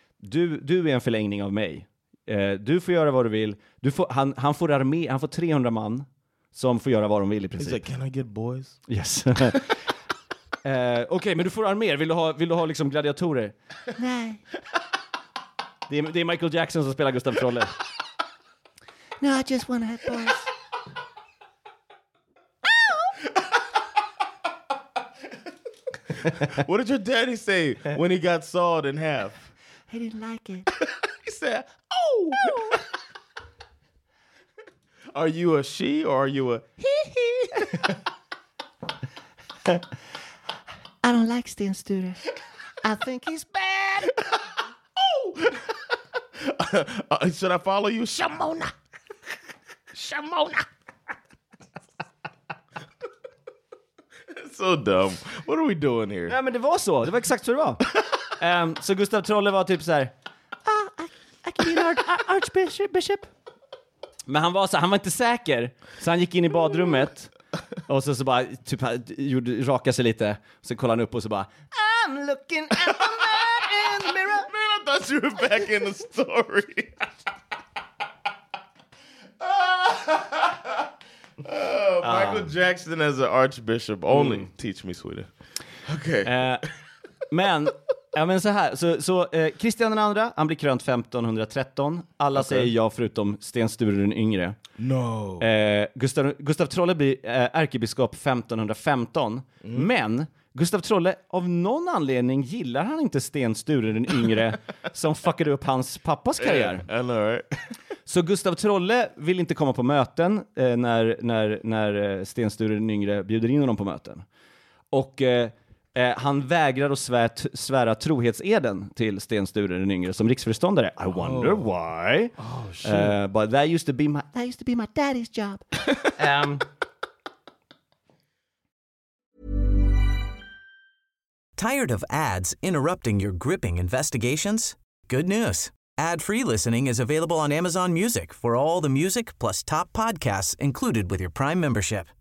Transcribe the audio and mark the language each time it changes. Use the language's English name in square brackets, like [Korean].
[Swedish] Du är en förlängning av mig. Du får göra vad du vill. Han får armé, han får 300 man som får göra vad de vill i princip. [English] He's like, can I get boys? [Swedish] Yes. okay, men du får armé. Vill du ha liksom gladiatorer? Nej. Det är Michael Jackson som spelar Gustav Trolle. [English] No, I just want to have boys. What did your daddy say when he got sawed in half? He didn't like it. He said, oh! Are you a she or are you a he? I don't like Sten Sture. I think he's bad. Oh! should I follow you? Shamona! Shamona! So dumb. What are we doing here? Yeah, but it was so. It was exactly what it was. [Swedish] Så Gustav Trolle var typ så här. [English] I can be an archbishop. [Swedish] Men han var så, han var inte säker. Så han gick in i badrummet och så bara typ gjorde raka sig lite. Så kollade han upp och så bara, [English] I'm looking at the man in the mirror. Man, I thought you were back in the story. Michael Jackson as an archbishop only. Teach me, sweetie. Okay. [Swedish] Men, ja, men så här. Så Kristian den andra, han blir krönt 1513. Alla säger ja förutom Sten Sture den yngre. [English] No. [Swedish] Gustav Trolle blir ärkebiskop 1515. Mm. Men Gustav Trolle, av någon anledning gillar han inte Sten Sture den yngre som fuckade upp hans pappas karriär. Så Gustav Trolle vill inte komma på möten när Sten Sture den yngre bjuder in honom på möten. Och han vägrar att svära trohetseden till Sten Sture den yngre som riksföreståndare. [English] I wonder why. Oh, shit. But that used to be my daddy's job. Tired of ads interrupting your gripping investigations? Good news. Ad-free listening is available on Amazon Music for all the music plus top podcasts included with your Prime membership.